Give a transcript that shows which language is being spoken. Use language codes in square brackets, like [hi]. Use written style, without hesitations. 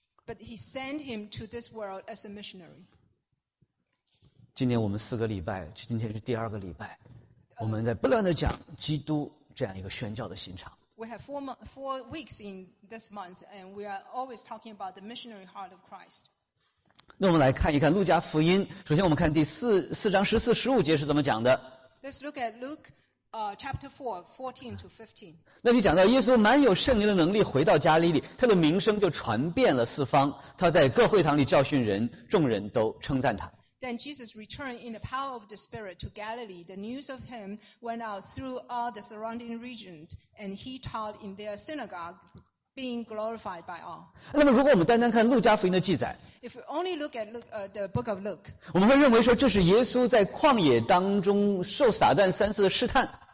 [en] But he sent him to this world as a missionary. [zh] 今天我们四个礼拜，今天是第二个礼拜，我们在不断的讲基督这样一个宣教的心肠。 [en] We have four weeks in this month, and we are always talking about the missionary heart of Christ. [zh] 那我们来看一看路加福音。首先，我们看第四章十四、十五节是怎么讲的。 [en] Let's look at Luke. Chapter 4:14-15. [zh] 那里讲到耶稣满有圣灵的能力回到加利利，他的名声就传遍了四方。他在各会堂里教训人，众人都称赞他。 [en] Then Jesus returned in the power of the Spirit to Galilee. The news of him went out through all the surrounding regions, and he taught in their synagogue, being glorified by all. [zh] 那么，如果我们单单看路加福音的记载 [en] ，If we only look at the book of Luke， [zh] 我们会认为说这是耶稣在旷野当中受撒旦三次的试探。